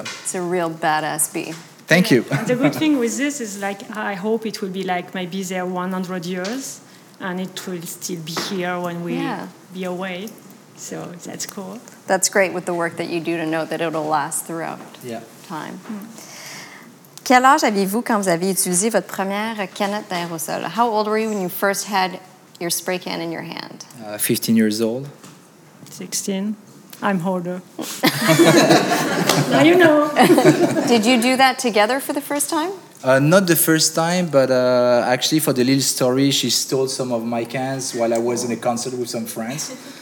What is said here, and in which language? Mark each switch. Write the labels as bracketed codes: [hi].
[en] it's a real badass bee. Thank you. And the good thing with this is like I hope it will be like maybe there 100 years, and it will still be here when we be away. So that's cool. That's great with the work that you do to know that it'll last throughout time. Mm. [fr] Quel âge aviez-vous quand vous avez utilisé votre première canette d'aérosol? [en] How old were you when you first had your spray can in your hand? 15 years old. 16. I'm older. Now you know. Did you do that together for the first time? Not the first time, but actually for the little story, she stole some of my cans while I was in a concert with some friends.